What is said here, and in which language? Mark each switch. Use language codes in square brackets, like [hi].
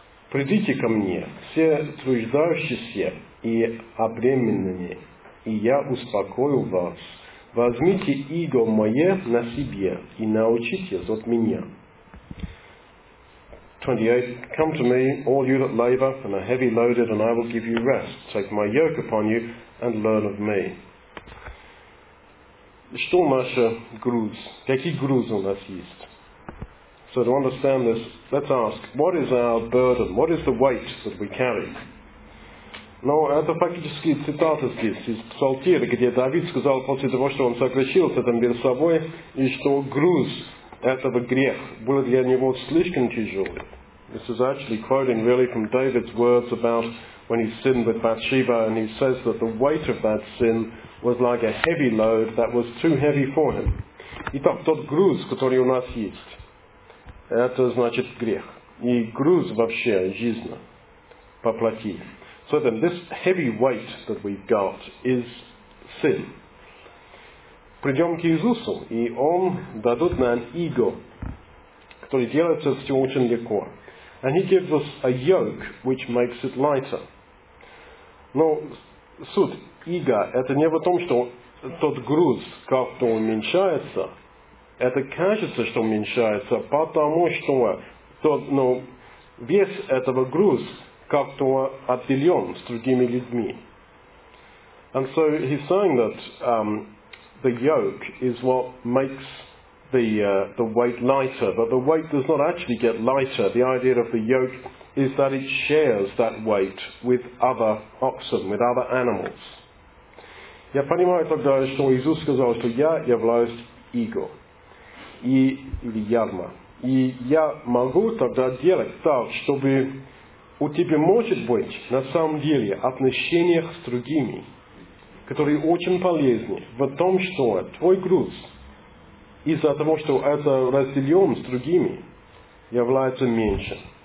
[ru] Придите ко мне, все труждающиеся и обремененные, и я успокою вас. Возьмите иго мое на себе и научитесь от меня. 28. [en] Come to me, all you that labor and are heavy loaded, and I will give you rest. Take my yoke upon you and learn of me. [ru] Что наш груз? Какой груз у нас есть? [en] So to understand this, let's ask, what is our burden? What is the weight that we carry? [ru] Но это фактически цитата здесь из Псалтира, где Давид сказал после того, что он согрешил с этим перед собой, и что груз этого греха был для него слишком тяжелый. [en] This is actually quoting really from David's words about when he sinned with Bathsheba, and he says that the weight of that sin was like a heavy load that was too heavy for him. [ru] Итак, тот груз, который у нас есть, это значит грех. И груз вообще жизни по плоти. [en] So then, this heavy weight that we've got is sin. [ru] Придем к Иисусу, и Он дадут нам иго, который делается все очень легко. [en] And he gives us a yoke which makes it lighter. [ru] Но суть иго, это не в том, что тот груз как-то уменьшается. Это кажется, что уменьшается, потому что вес этого груз как-то отделен с другими людьми. [en] And so he's saying that the yoke is what makes the weight lighter, but the weight does not actually get lighter. The idea of the yoke is that it shares that weight with other oxen, with other animals. [ru] Я понимаю тогда, что Иисус сказал, что я являюсь иго. Или ярма. И я могу тогда делать так, чтобы у тебя может быть на самом деле отношения с другими, которые очень полезны в том, что твой груз из-за того, что это разделен с другими, является меньше.